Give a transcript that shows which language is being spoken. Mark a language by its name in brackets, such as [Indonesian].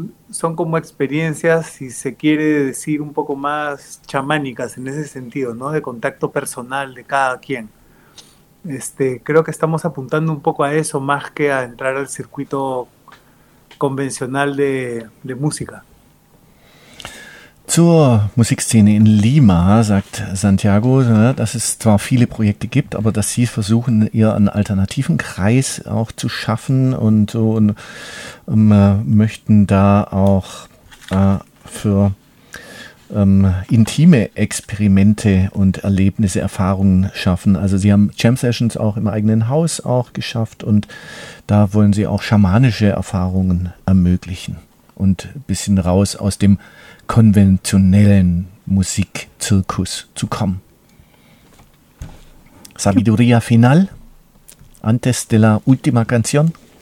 [Spanish] Son como experiencias, si se quiere decir, un poco más chamánicas en ese sentido, ¿no? De contacto personal de cada quien. Creo que estamos apuntando un poco a eso más que a entrar al circuito convencional de música. [German] Zur Musikszene in Lima sagt Santiago, dass es zwar viele Projekte gibt, aber dass sie versuchen, eher einen alternativen Kreis auch zu schaffen und möchten da auch für intime Experimente und Erlebnisse, Erfahrungen schaffen. Also sie haben Jam-Sessions auch im eigenen Haus auch geschafft, und da wollen sie auch schamanische Erfahrungen ermöglichen und ein bisschen raus aus dem konventionellen Musikzirkus zu kommen. [Spanish] Sabiduría final, antes de la última canción.